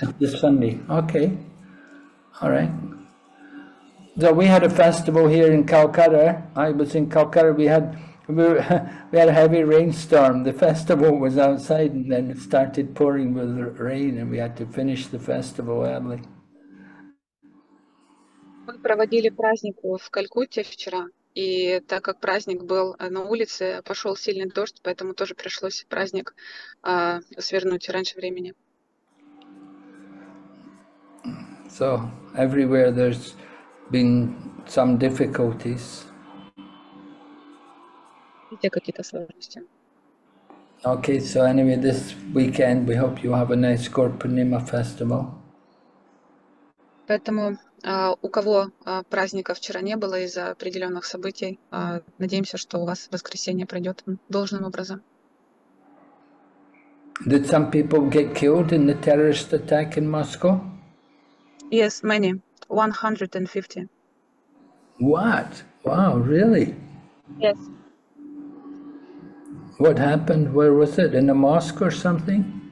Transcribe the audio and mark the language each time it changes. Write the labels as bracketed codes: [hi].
[en] This Sunday, okay. All right. So we had a festival here in Calcutta. I was in Calcutta. We had a heavy rainstorm. The festival was outside, and then it started pouring with rain, and we had to finish the festival early. [ru] Мы проводили праздник в Калькутте вчера. И так как праздник был на улице, пошел сильный дождь, поэтому тоже пришлось праздник свернуть раньше времени. [en] So everywhere there's been some difficulties. [ru] Где какие-то сложности? [en] Okay, so anyway, this weekend we hope you have a nice Gaurpurnima festival. [ru] Поэтому у кого праздника вчера не было из-за определенных событий, надеемся, что у вас воскресенье пройдет должным образом. [en] Did some people get killed in the terrorist attack in Moscow? Yes, many. 150. What? Wow, really? Yes. What happened? Where was it? In a mosque or something?